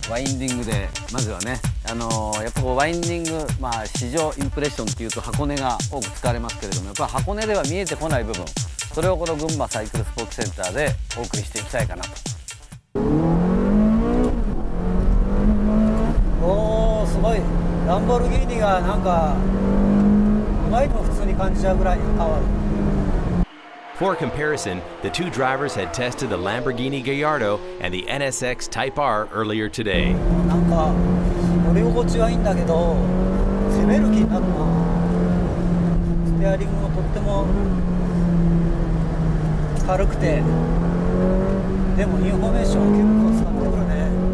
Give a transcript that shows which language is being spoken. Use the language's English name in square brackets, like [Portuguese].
[Japanese] で。ワインディングでまずはね、やっぱこうワインディング、まあ市場インプレッションっていうと箱根が多く使われますけれども、やっぱり箱根では見えてこない部分、それをこの群馬サイクルスポーツセンターでお送りしていきたいかなと。おー、すごい。ランボルギーニがなんか前でも普通に感じちゃうぐらいパワー。 [English] For comparison, the two drivers had tested the Lamborghini Gallardo and the NSX Type R earlier today. [Japanese] なんか乗り心地はいいんだけど、攻める気になるな。ステアリングもとっても軽くて、でもインフォメーション結構使ってくるね。